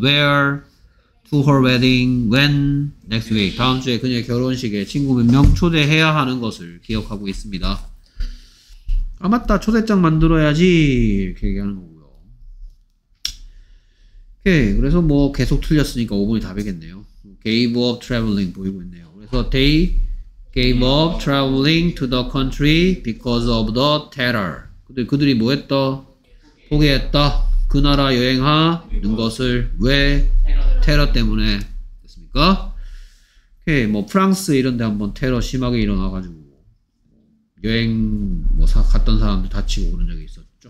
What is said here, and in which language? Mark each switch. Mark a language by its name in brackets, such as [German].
[English] where to her wedding when next week. [Korean] 다음 주에 그녀의 결혼식에 친구 몇 명 초대해야 하는 것을 기억하고 있습니다. 아 맞다 초대장 만들어야지 이렇게 얘기하는 거고요. 오케이 그래서 뭐 계속 틀렸으니까 5번이 답이겠네요. [English] gave up traveling [Korean] 보이고 있네요. 그래서 [English] they gave up traveling to the country because of the terror. [Korean] 그들이 뭐 했다? 포기했다. 그 나라 여행하는 것을 왜? 테러 때문에 됐습니까? 오케이 뭐 프랑스 이런 데 한번 테러 심하게 일어나가지고 여행 뭐 갔던 사람들 다치고 그런 적이 있었죠.